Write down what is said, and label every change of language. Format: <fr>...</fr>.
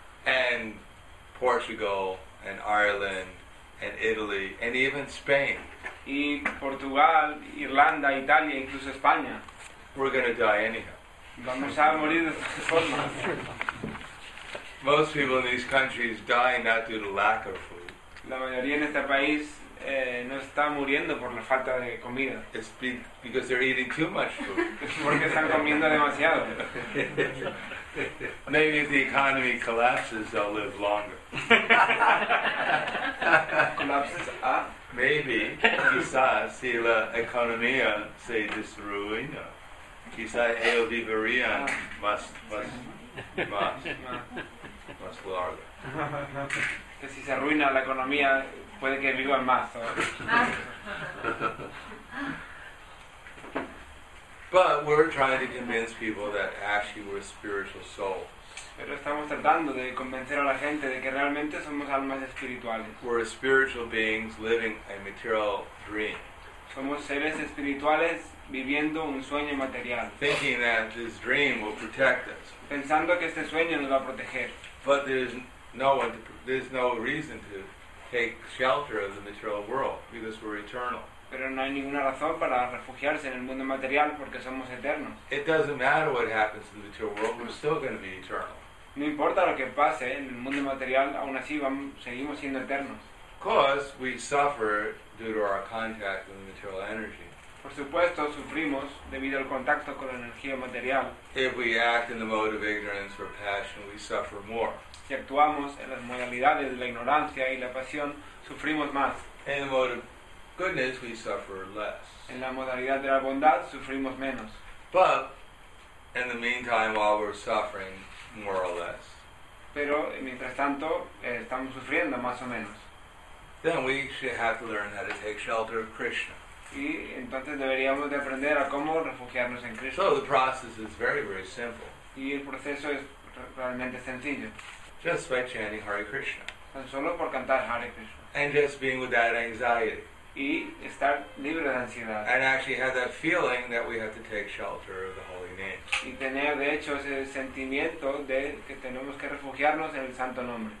<en>And Portugal and Ireland and Italy and even Spain.</en> <es>Y Portugal, Irlanda, Italia, incluso España.</es> <en>We're going to die anyhow.</en> <es>Vamos a morir de forma.</es> <en>Most people in these countries die not due to lack of food.</en> <es>La mayoría en este país no está muriendo por la falta de comida.</es> <en>It's because they're eating too much food.</en> <es>Porque están comiendo demasiado.</es> <en>Maybe if the economy collapses, they'll live longer. Collapses, Maybe,</en> <es>quizás, si la economía se desruina. Quizás el viverían más largo. Que si se arruina la economía, puede que vivan más.</es> <en>But we're trying to convince people that actually we're spiritual souls.</en> <es>Pero estamos tratando de convencer a la gente de que realmente somos almas espirituales.</es> <en>We're spiritual beings living a material dream.</en> <es>Somos seres espirituales viviendo un sueño material.</es> <en>Thinking that this dream will protect us.</en> <es>Pensando que este sueño nos va a proteger.</es> <en>But there's no reason to take shelter of the material world because we're eternal.</en> <es>Pero no hay ninguna razón para refugiarse en el mundo material porque somos eternos.</es> <en>It doesn't matter what happens in the material world, we're still going to be eternal.</en> <es>No importa lo que pase en el mundo material, aún así seguimos siendo eternos.</es> <en>Because we suffer due to our contact with material energy.</en> <es>Por supuesto, sufrimos debido al contacto con la energía material.</es> <en>If we act in the mode of ignorance or passion, we suffer more.</en> <es>Si actuamos en las modalidades de la ignorancia y la pasión, sufrimos más.</es> <en>In the mode of goodness, we suffer less.</en> <es>En la modalidad de la bondad, sufrimos menos.</es> <en>But in the meantime, while we're suffering, more or less.</en> <es>Pero mientras tanto, estamos sufriendo más o menos.</es> <en>Then we should have to learn how to take shelter of Krishna.</en> <es>Y entonces deberíamos de aprender a cómo refugiarnos en Krishna.</es> <en>So the process is very, very simple.</en> <es>Y el proceso es realmente sencillo.</es> <en>Just by chanting Hare Krishna.</en> <es>Tan solo por cantar Hare Krishna.</es> <en>And just being with that anxiety.</en> <es>Y estar libre de ansiedad.</es> <en>And actually have that feeling that we have to take shelter of the holy name.</en> <es>Y tener de hecho ese sentimiento de que tenemos que refugiarnos en el santo nombre.</es>